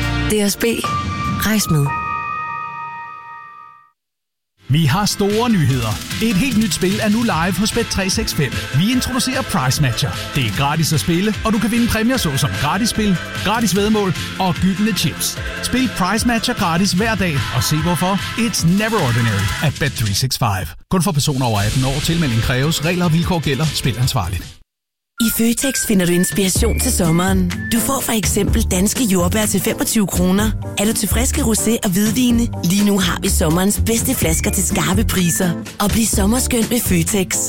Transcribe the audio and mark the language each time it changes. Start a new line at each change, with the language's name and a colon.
Danish: DSB. Rejs med. Vi har store nyheder. Et helt nyt spil er nu live hos Bet365. Vi introducerer Price Matcher. Det er gratis at spille, og du kan vinde præmier såsom gratis spil, gratis væddemål og gyldne chips. Spil Price Matcher gratis hver dag og se hvorfor.
English: It's never ordinary at Bet365.
Danish: Kun for personer over 18 år. Tilmelding kræves. Regler og vilkår gælder. Spil ansvarligt. I Føtex finder du inspiration til sommeren. Du får for eksempel danske jordbær til 25 kroner. Er du tilfreds med rosé og hvidvine? Lige nu har vi sommerens bedste flasker til skarpe priser. Og bliv sommerskøn med Føtex.